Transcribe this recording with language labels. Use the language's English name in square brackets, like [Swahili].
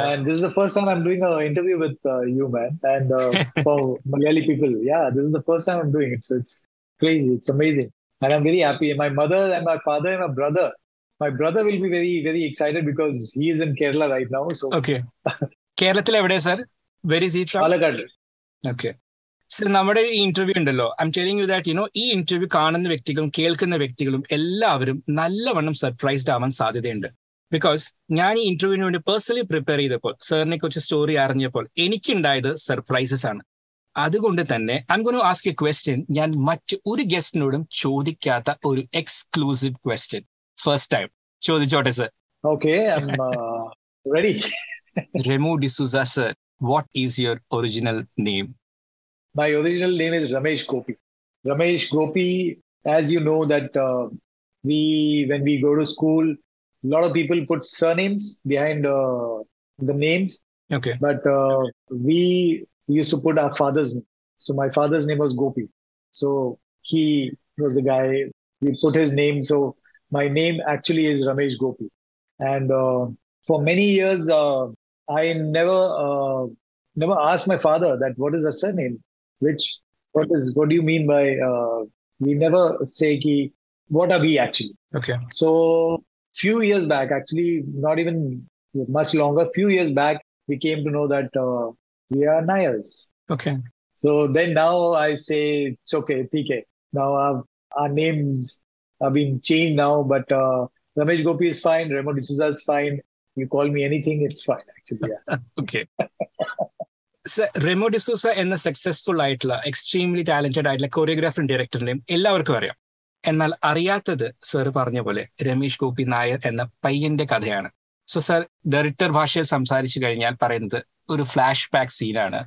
[English] And this is the first time I'm doing an interview with you, man. And for Malayali people, yeah, this is the first time I'm doing it. So it's crazy. It's amazing. And I'm very happy. My mother and my father and my brother will be very, very excited because he is in Kerala right now. So okay. Kerala till every day, sir. Where is he from? Palakkad. Okay. [Malayalam] Sir, നമ്മുടെ ഈ interview ഉണ്ടല്ലോ, [English] I M telling you that you know, [Malayalam] ഈ interview കാണുന്ന വ്യക്തികളും കേൾക്കുന്ന വ്യക്തികളും എല്ലാവരും നല്ലവണ്ണം സർപ്രൈസ്ഡ് ആവാൻ സാധ്യതയുണ്ട്. ബിക്കോസ് ഞാൻ ഈ ഇന്റർവ്യൂവിന് വേണ്ടി പേഴ്സണലി പ്രിപ്പയർ ചെയ്തപ്പോൾ, സാറിനെ കുറിച്ച് സ്റ്റോറി അറിഞ്ഞപ്പോൾ എനിക്കുണ്ടായത് സർപ്രൈസസ് ആണ്. അതുകൊണ്ട് തന്നെ [English] I am going to ask a question [Malayalam] ഞാൻ മറ്റ് ഒരു ഗസ്റ്റിനോടും ചോദിക്കാത്ത ഒരു എക്സ്ക്ലൂസീവ് ക്വസ്റ്റ്യൻ. ഫസ്റ്റ് ടൈം ചോദിച്ചോട്ടെ sir? [English] Okay, ready. Remo D'Souza sir, what is your original name? My original name is Ramesh Gopi. Ramesh Gopi, as you know that when we go to school, a lot of people put surnames behind the names. Okay. But we used to put our father's name. So my father's name was Gopi. So he was the guy, we put his name. So my name actually is Ramesh Gopi. And for many years, I never asked my father that what is a surname. What do you mean by we never say ki what are we actually? Okay. So few years back, actually not even much longer, few years back we came to know that we are Nairs. Okay. So then now I say it's okay, PK. Now our names have been changed now, but Ramesh Gopi is fine, Remo D Souza is fine. You call me anything, it's fine actually. Yeah. Okay. [Malayalam] Remo D Sousa എന്ന successful ആയിട്ടുള്ള, extremely talented ആയിട്ടുള്ള കൊറിയോഗ്രാഫറും ഡയറക്ടറിന്റെയും എല്ലാവർക്കും അറിയാം. എന്നാൽ അറിയാത്തത് sir പറഞ്ഞ പോലെ രമേഷ് ഗോപി നായർ എന്ന പയ്യന്റെ കഥയാണ്. സോ സർ, ഡയറക്ടർ ഭാഷയിൽ സംസാരിച്ചു കഴിഞ്ഞാൽ പറയുന്നത് ഒരു ഫ്ലാഷ് ബാക്ക് സീനാണ്.